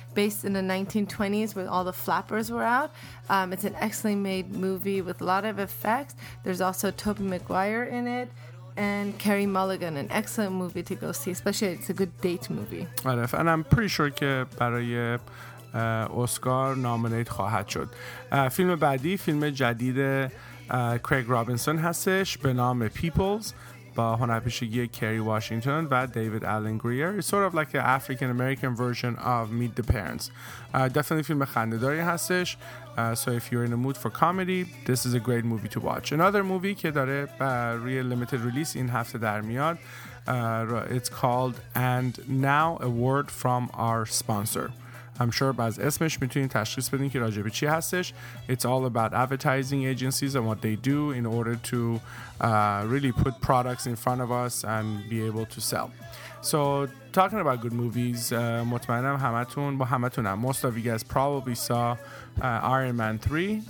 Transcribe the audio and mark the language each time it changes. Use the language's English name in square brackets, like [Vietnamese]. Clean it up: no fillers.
[English] Based in the 1920s when all the flappers were out. It's an excellently made movie with a lot of effects. There's also Tobey Maguire in it. And Carey Mulligan, an excellent movie to go see, especially it's a good date movie. [Persian] آره، [English] and I'm pretty sure [Persian] که برای اسکار نامنیت خواهد شد. فیلم بعدی فیلم جدید کریگ رابینسون هستش به نام پیپلز با هنرپیشگی کری واشنگتن و دیوید آلن گریر. [English] It's sort of like an African American version of Meet the Parents. Definitely [Persian] فیلم خنده‌داری هستش. [English] So if you're in a mood for comedy, this is a great movie to watch. Another movie [Persian] که داره روی [English] limited release [Persian] این هفته در میاد, [English] it's called And Now a Word from Our Sponsor. I'm sure [Persian] باز اسمش میتونین تشخیص بدین که راجع به چی هستش. [English] It's all about advertising agencies and what they do in order to really put products in front of us and be able to sell. So talking about good movies, [Persian] مطمئنم همتون با همتون هم. [English] Most of you guys probably saw Iron Man 3.